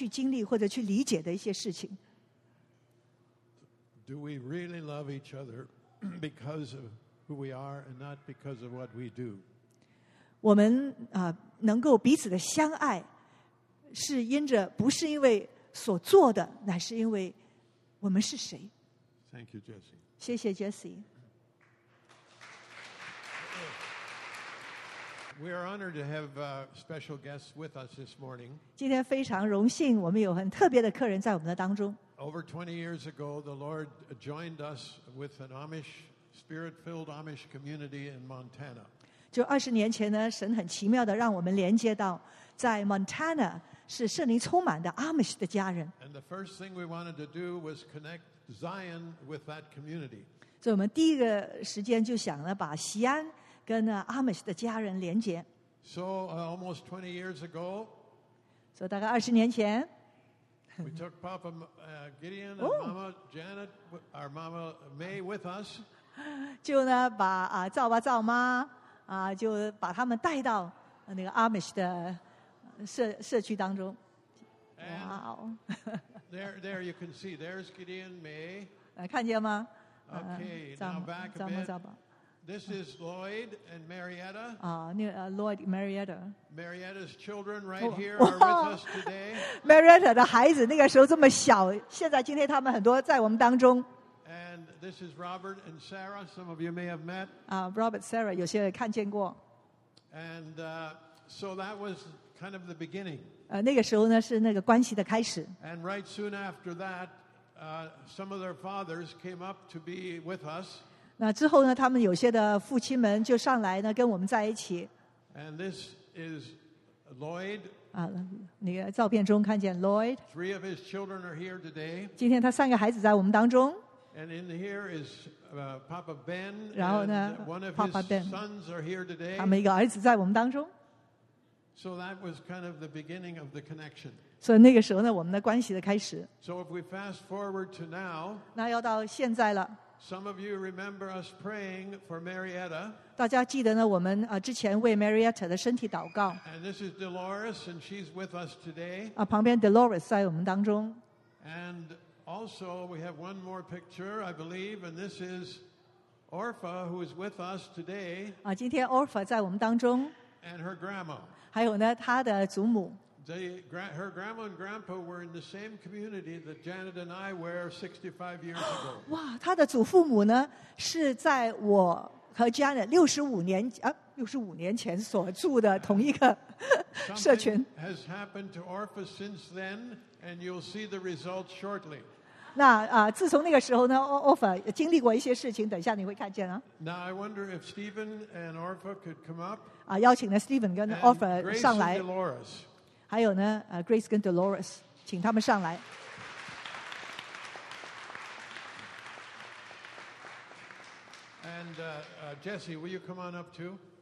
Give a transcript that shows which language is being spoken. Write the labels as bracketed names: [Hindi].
[Chinese] 我们真是很得鼓励，就看见呢年轻的世代在他们这个年龄可以去经历、去理解一些在我们这个年龄才去经历或者去理解的一些事情。 [English] Do we really love each other because of who we are and not because of what we do? [Chinese] 我们能够彼此的相爱，是因着不是因为所做的，乃是因为我们是谁。 [English] Thank you, Jesse. [Chinese] 谢谢 Jesse. [English] We are honored to have special guests with us this morning. [Chinese] 今天非常荣幸，我们有很特别的客人在我们的当中。 [English] Over 20 years ago, the Lord joined us with an Amish, spirit-filled Amish community in Montana. [Chinese] 就20年前呢,神很奇妙地让我们连接到在 Montana是圣灵充满的Amish的家人。 [English] And the first thing we wanted to do was connect Zion with that community. [Chinese] 所以我们第一个时间就想呢,把西安跟Amish的家人连接。 [English] So almost 20 years ago, [Chinese] 所以大概20年前, [English] we took Papa Gideon and Mama Janet, our Mama May with us. [Chinese] 就呢,把赵爸赵妈,就把他们带到那个Amish的社区当中。 [English] Wow. there you can see, there's Gideon May. [Chinese] 看见吗? [English] Okay, now back a bit. This is Lloyd and Marietta. Lloyd, Marietta. Marietta's children right here are with us today. [Chinese] Marietta's 孩子那个时候这么小，现在今天他们很多在我们当中。 [English] And And this is Robert and Sarah. Some of you may have met. [Chinese] Robert, Sarah, 有些看见过。 [English] And so that was kind of the beginning. [Chinese] 那个时候呢，是那个关系的开始。 [English] And right soon after that, some of their fathers came up to be with us. [Chinese] 那之后呢，他们有些的父亲们就上来呢，跟我们在一起。 [English] And this is Lloyd. [Chinese] 那个照片中看见 Lloyd. [English] Three of his children are here today. [Chinese] 今天他三个孩子在我们当中。 [English] And in here is Papa Ben. [Chinese] 然后呢 [English] ，One of Papa his Ben, sons are here today. [Chinese] 他们一个儿子在我们当中。 [English] So that was kind of the beginning of the connection. [Chinese] 所以那个时候呢，我们的关系的开始。 [English] So if we fast forward to now. [Chinese] 那要到现在了。 [English] Some of you remember us praying for Marietta. [Chinese] 大家记得呢，我们之前为 Marietta 的身体祷告。 [English] And this is Dolores, and she's with us today. [Chinese] 旁边 Dolores 在我们当中。 [English] And also, we have one more picture, I believe, and this is Orpha, who is with us today. [Chinese] 今天 Orpha 在我们当中。 [English] And her grandma. [Chinese] 还有呢，她的祖母。 [English] Her grandma and grandpa were in the same community that Janet and I were 65 years ago. [Chinese] 哇，她的祖父母呢，是在我和 Janet 65年前所住的同一个社群。 [English] Something has happened to Orpha since then, and you'll see the results shortly. [Chinese] 那自从那个时候呢 ，Orpha 经历过一些事情，等一下你会看见啊。 [English] Now I wonder if Stephen and Orpha could come up. [Chinese] 邀请了 Stephen 跟 Orpha 上来。 [English] And Grace and Dolores. [Chinese] 还有呢，Grace 跟 Dolores， 请他们上来。 [English] And Jesse, will you come on up too?